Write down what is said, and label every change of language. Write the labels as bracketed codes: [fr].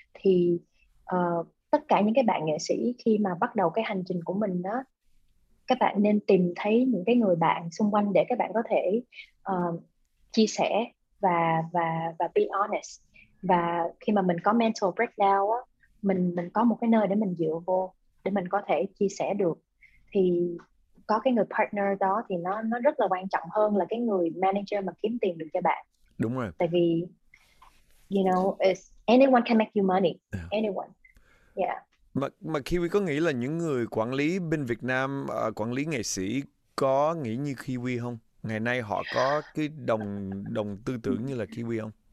[vi] Thì tất cả những cái bạn nghệ sĩ khi mà bắt đầu cái hành trình của mình đó, các bạn nên tìm thấy những cái người bạn xung quanh để các bạn có thể chia sẻ và be honest. Và khi mà mình có mental breakdown á, mình có một cái nơi để mình dựa vô, để mình có thể chia sẻ được. Thì có cái người partner đó thì nó rất là quan trọng hơn là cái người manager mà kiếm tiền được cho bạn. Đúng rồi. [en] Tại vì, you know, it's, anyone can make you money. Yeah. Anyone. Yeah. [vi] Mà Kiwi có nghĩ là những người quản lý bên Việt Nam, quản lý nghệ sĩ có nghĩ như Kiwi không? Ngày nay họ có cái đồng tư tưởng như là Kiwi không?